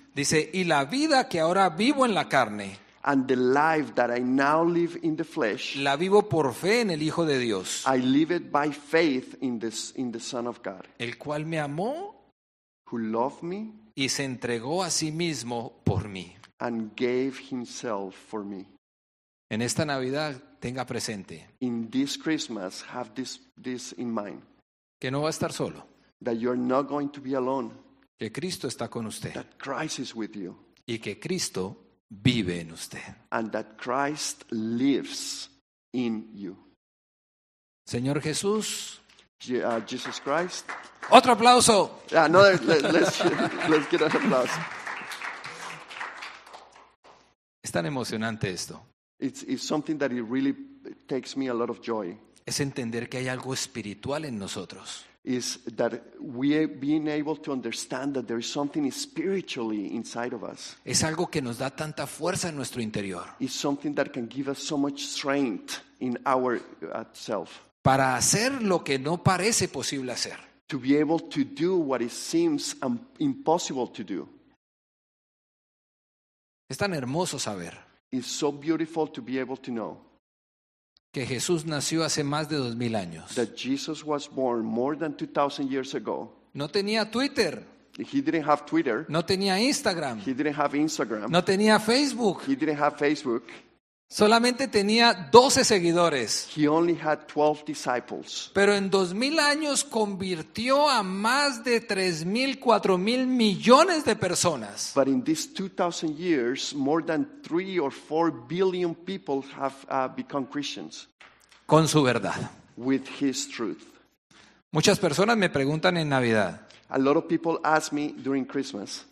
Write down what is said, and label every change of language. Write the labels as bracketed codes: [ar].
[es] Dice, y la vida que ahora vivo en la carne. [en] And the life that I now live in the flesh. [es] La vivo por fe en el Hijo de Dios. [en] I live it by faith in the Son of God. [es] El cual me amó. [en] Who loved me. [es] Y se entregó a sí mismo por mí. [en] And gave himself for me. [es] En esta Navidad, tenga presente. [en] In this Christmas, have this in mind. [es] Que no va a estar solo. [en] That you're not going to be alone. [es] Que Cristo está con usted. [en] That Christ is with you. [es] Y que Cristo vive en usted. [en] And that Christ lives in you. [es] Señor Jesús. [en] Jesus Christ. [es] Otro aplauso. [en] Let's get an applause. [es] Es tan emocionante esto. [en] It's something that it really takes me a lot of joy. [es] Es entender que hay algo espiritual en nosotros. [en] Is that we being able to understand that there is something spiritually inside of us. [es] Es algo que nos da tanta fuerza en nuestro interior. [en] It's something that can give us so much strength in our self. [es] Para hacer lo que no parece posible hacer. [en] To be able to do what it seems impossible to do. [es] Es tan hermoso saber. [en] It's so beautiful to be able to know [es] que Jesús nació hace más de 2000 años. [en] That Jesus was born more than 2000 years ago. [es] No tenía Twitter. [en] He didn't have Twitter. [es] No tenía Instagram. [en] He didn't have Instagram. [es] No tenía Facebook. [en] He didn't have Facebook. [es] Solamente tenía 12 seguidores. [en] He only had 12 disciples. [es] Pero en 2000 años convirtió a más de 3000, 4000 millones de personas. [en] But in these 2000 years, more than 3 or 4 billion people have become Christians. [es] Con su verdad. [en] With his truth. [es] Muchas personas me preguntan en Navidad. [en] A lot of people ask me during Christmas.